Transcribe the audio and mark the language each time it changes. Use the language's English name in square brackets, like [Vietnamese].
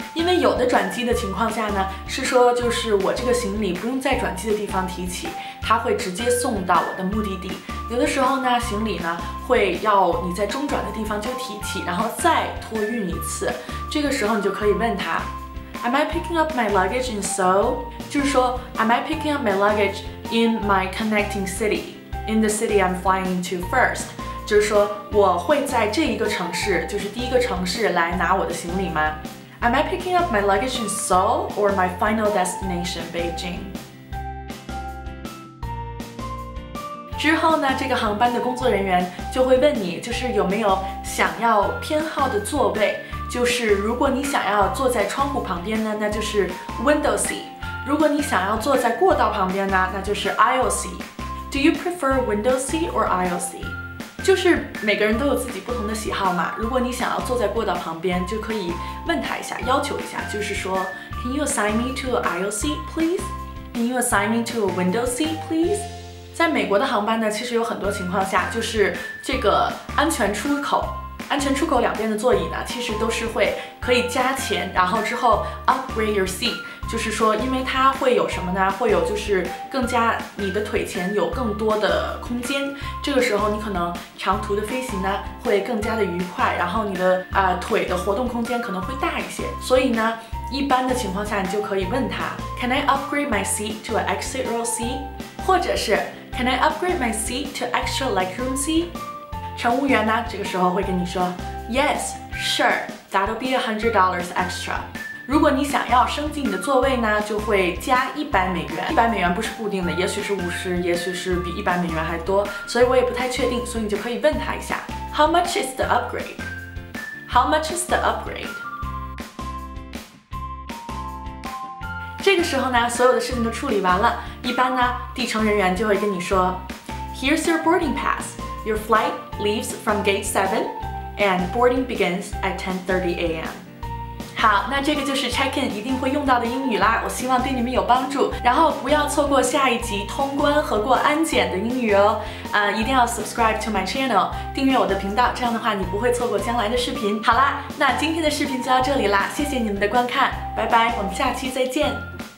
[Chinese] 因为有的转机的情况下呢是说就是我这个行李不用在转机的地方提起，他会直接送到我的目的地。有的时候呢行李呢会要你在中转的地方就提起，然后再托运一次，这个时候你就可以问他 [English] Am I picking up my luggage in Seoul? [Chinese] 就是说 [English] Am I picking up my luggage in my connecting city? In the city I'm flying to first? [Chinese] 就是说我会在这一个城市，就是第一个城市来拿我的行李吗？ [English] Am I picking up my luggage in Seoul or my final destination Beijing? [Chinese] 之后呢，这个航班的工作人员就会问你，就是有没有想要偏好的座位，就是如果你想要坐在窗户旁边呢，那就是 window seat， 如果你想要坐在过道旁边呢，那就是 aisle seat。 [English] Do you prefer window seat or aisle seat？ [Chinese] 就是每个人都有自己不同的喜好嘛，如果你想要坐在过道旁边，就可以问他一下，要求一下，就是说 [English] Can you assign me to aisle seat please? Can you assign me to window seat please? [Chinese] 在美国的航班呢，其实有很多情况下，就是这个安全出口两边的座椅呢，其实都是会可以加钱，然后之后 [English] upgrade your seat， [Chinese] 就是说，因为它会有什么呢？会有就是更加你的腿前有更多的空间，这个时候你可能长途的飞行呢会更加的愉快，然后你的腿的活动空间可能会大一些，所以呢，一般的情况下你就可以问他 ， [English] Can I upgrade my seat to an exit row seat？ [Chinese] 或者是 [English] Can I upgrade my seat to extra legroom seat? [Chinese] 乘务员呢这个时候会跟你说 [English] Yes, sure, that'll be $100 extra. [Chinese] 如果你想要升级你的座位呢，就会加100美元。 100美元不是固定的，也许是50，也许是比100美元还多，所以我也不太确定，所以你就可以问他一下 [English] How much is the upgrade? How much is the upgrade? [Chinese] 这个时候呢，所有的事情都处理完了，一般呢，地乘人员就会跟你说 [English] Here's your boarding pass. Your flight leaves from gate 7 and boarding begins at 10:30 a.m. [Chinese] 好，那这个就是 check in 一定会用到的英语啦，我希望对你们有帮助，然后不要错过下一集通关和过安检的英语哦。一定要 [English] subscribe to my channel， [Chinese] 订阅我的频道，这样的话你不会错过将来的视频。好啦，那今天的视频就到这里啦，谢谢你们的观看，拜拜，我们下期再见。